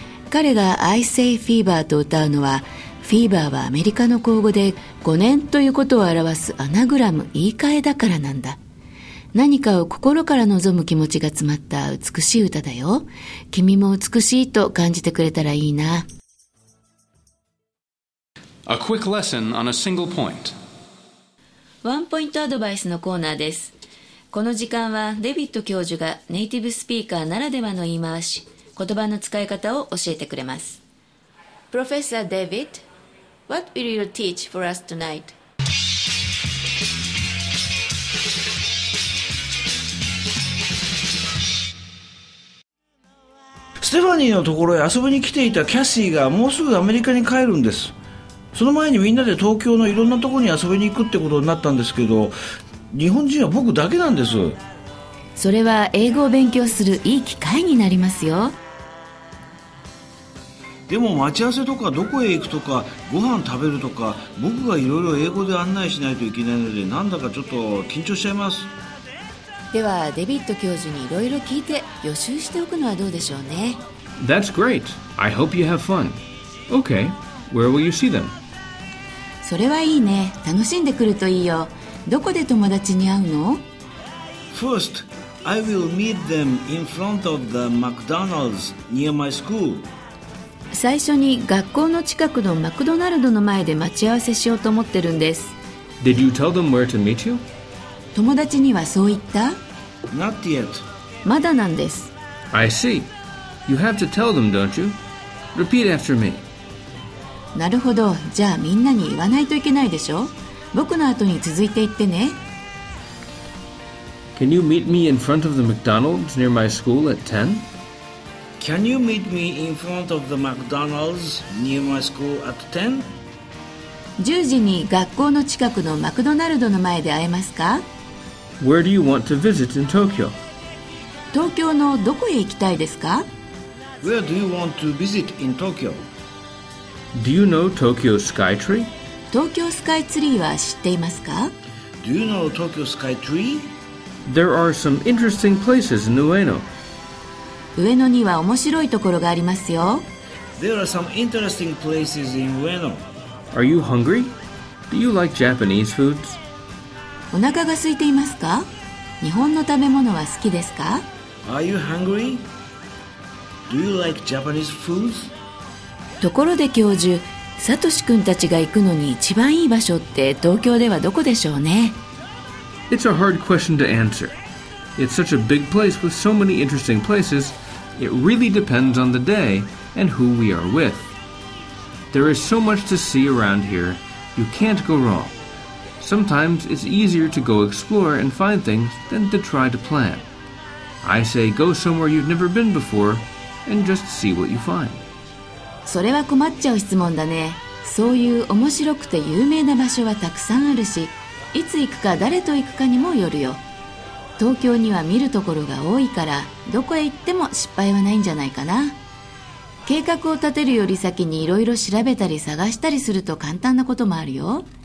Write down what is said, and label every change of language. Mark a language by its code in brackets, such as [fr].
[ja] 彼が I Say Fever と歌うのは、フィーバーはアメリカの口語で5年ということを表すアナグラム、言い換えだからなんだ。何かを心から望む気持ちが詰まった美しい歌だよ。君も美しいと感じてくれたらいいな。 [en] A quick lesson on a single point. [ja] ワンポイントアドバイスのコーナーです。この時間はデビッド教授がネイティブスピーカーならではの言い回し、言葉の使い方を教えてくれます。 [en] Professor David, what will you teach for us tonight? [ja] ステファニーのところへ遊びに来ていたキャッシーがもうすぐアメリカに帰るんです。その前にみんなで東京のいろんなところに遊びに行くってことになったんですけど、日本人は僕だけなんです。それは英語を勉強するいい機会になりますよ。でも待ち合わせとかどこへ行くとかご飯食べるとか、僕がいろいろ英語で案内しないといけないので、なんだかちょっと緊張しちゃいます。ではデビッド教授にいろいろ聞いて予習しておくのはどうでしょうね。 [en] That's great. I hope you have fun. Okay. Where will you see them? [ja] それはいいね。楽しんでくるといいよ。どこで友達に会うの？ [en] First, I will meet them in front of the McDonald's near my school. [ja] 最初に学校の近くのマクドナルドの前で待ち合わせしようと思ってるんです。 [en] Did you tell them where to meet you? [ja] 友達にはそう言った？ [en] Not yet. [ja] まだなんです。 [en] I see. You have to tell them, don't you? Repeat after me. [ja] なるほど。じゃあみんなに言わないといけないでしょ？僕の後に続いていってね。 [en] Can you meet me in front of the McDonald's near my school at 10? Can you meet me in front of the McDonald's near my school at 10? [ja] 10時に学校の近くのマクドナルドの前で会えますか？ [en] Where do you want to visit in Tokyo? [ja] 東京のどこへ行きたいですか? [en] Where do you want to visit in Tokyo? Do you know Tokyo Skytree? [ja] 東京スカイツリーは知っていますか? [en] Do you know Tokyo Skytree? There are some interesting places in Ueno. [ja] 上野には面白いところがありますよ。 [en] There are some interesting places in Ueno. Are you hungry? Do you like Japanese foods? [ja] お腹が空いていますか？日本の食べ物は好きですか？ [en] Are you hungry? Do you like Japanese foods? [ja] ところで教授、サトシ君たちが行くのに一番いい場所って東京ではどこでしょうね？ [en] It's a hard question to answer. It's such a big place with so many interesting places. It really depends on the day and who we are with. There is so much to see around here. You can't go wrong. Sometimes it's easier to go explore and find things than to try to plan. I say go somewhere you've never been before and just see what you find. [ja] それは困っちゃう質問だね。そういう面白くて有名な場所はたくさんあるし、いつ行くか誰と行くかにもよるよ。東京には見るところが多いから、どこへ行っても失敗はないんじゃないかな。計画を立てるより先にいろいろ調べたり探したりすると簡単なこともあるよ。